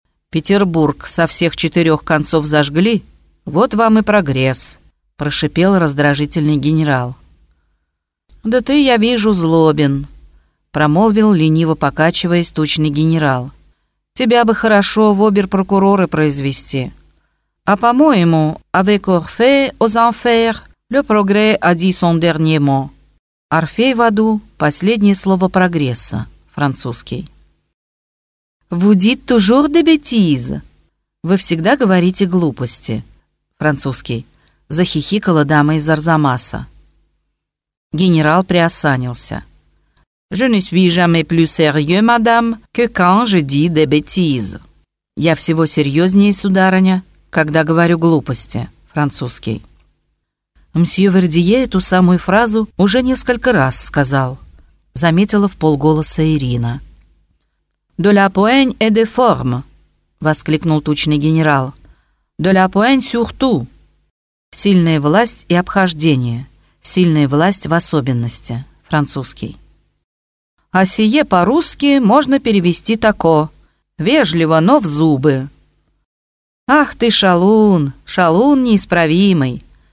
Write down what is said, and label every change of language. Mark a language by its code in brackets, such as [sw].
[ru] Петербург со всех четырех концов зажгли, вот вам и прогресс», — прошипел раздражительный генерал. «Да ты, я вижу, злобен», — промолвил, лениво покачиваясь, тучный генерал. «Тебя бы хорошо в обер-прокуроры произвести. А по-моему, [fr] avec Orphée aux enfers, le progrès a dit son dernier mot. [ru] Орфей в аду — последнее слово прогресса», — французский. [fr] «Vous dites toujours des bêtises. [ru] Вы всегда говорите глупости», — французский. Захихикала дама из Арзамаса. Генерал приосанился. [fr] «Je ne suis jamais plus sérieux, madame, que quand je dis des bêtises». [ru] «Я всего серьезнее, сударыня, когда говорю глупости», французский. Мсье Вердье эту самую фразу уже несколько раз сказал», — заметила вполголоса Ирина. [fr] «De la poigne et de forme», — воскликнул тучный генерал. «De la poigne surtout». [ru] «Сильная власть и обхождение. Сильная власть в особенности». Французский. «А сие по-русски можно перевести тако. Вежливо, но в зубы». «Ах ты, шалун! Шалун неисправимый!»